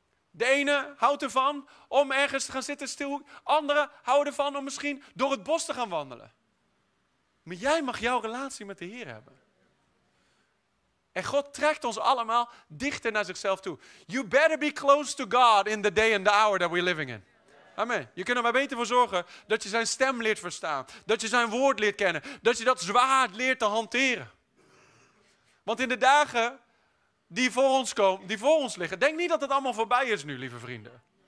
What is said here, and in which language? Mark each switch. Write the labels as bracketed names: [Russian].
[Dutch] De ene houdt ervan om ergens te gaan zitten stil, andere houden ervan om misschien door het bos te gaan wandelen. Maar jij mag jouw relatie met de Heer hebben. En God trekt ons allemaal dichter naar zichzelf toe. [English] You better be close to God in the day and the hour that we're living in. Amen. [Dutch] Je kunt er maar beter voor zorgen dat je zijn stem leert verstaan. Dat je zijn woord leert kennen. Dat je dat zwaard leert te hanteren. Want in de dagen die voor ons komen, die voor ons liggen. Denk niet dat het allemaal voorbij is nu, lieve vrienden.